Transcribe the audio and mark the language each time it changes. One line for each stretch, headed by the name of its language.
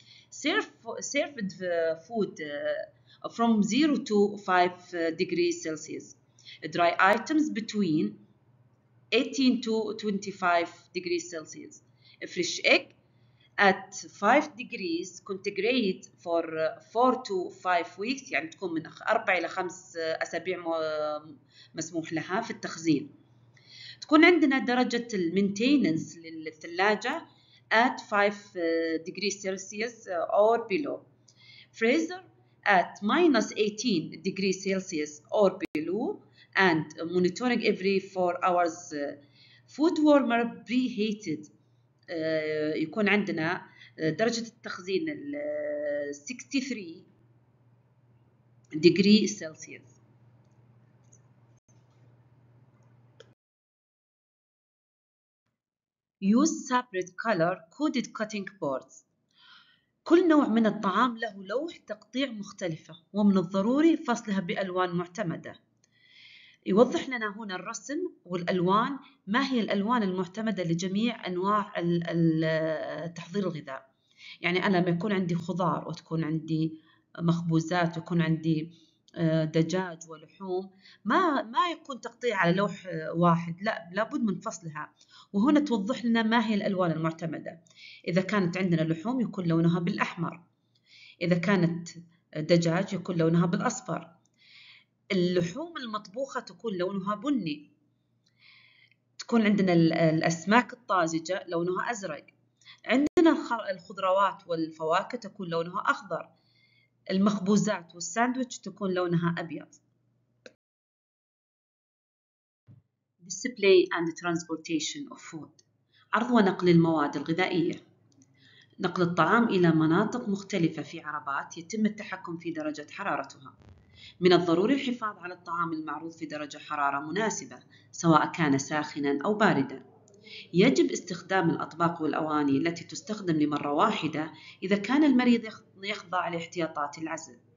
English: Served food from 0 to 5 degrees Celsius. Dry items between 18 to 25 degrees Celsius. A fresh egg at 5 degrees centigrade for 4 to 5 weeks،
Arabic: يعني تكون من 4 إلى 5 أسابيع مسموح لها في التخزين. تكون عندنا درجة المينتيننس للثلاجة
English: at 5 degrees Celsius or below. Freezer at minus 18 degrees Celsius or below and monitoring every 4 hours. Food warmer preheated.
Arabic: يكون عندنا درجة التخزين 63
English: degree Celsius. Use separate color coded cutting boards.
Arabic: كل نوع من الطعام له لوح تقطيع مختلفة، ومن الضروري فصلها بألوان معتمدة. يوضح لنا هنا الرسم والألوان ما هي الألوان المعتمدة لجميع أنواع تحضير الغذاء. يعني أنا لما يكون عندي خضار وتكون عندي مخبوزات ويكون عندي دجاج ولحوم، ما يكون تقطيع على لوح واحد، لا، لابد من فصلها. وهنا توضح لنا ما هي الألوان المعتمدة. إذا كانت عندنا لحوم يكون لونها بالأحمر، إذا كانت دجاج يكون لونها بالأصفر، اللحوم المطبوخة تكون لونها بني، تكون عندنا الأسماك الطازجة لونها أزرق، عندنا الخضروات والفواكه تكون لونها أخضر، المخبوزات والساندويتش تكون لونها أبيض.
English: Display and transportation of food،
Arabic: عرض ونقل المواد الغذائية. نقل الطعام إلى مناطق مختلفة في عربات يتم التحكم في درجة حرارتها. من الضروري الحفاظ على الطعام المعروض في درجة حرارة مناسبة، سواء كان ساخناً أو بارداً. يجب استخدام الأطباق والأواني التي تستخدم لمرة واحدة إذا كان المريض يخضع لاحتياطات العزل.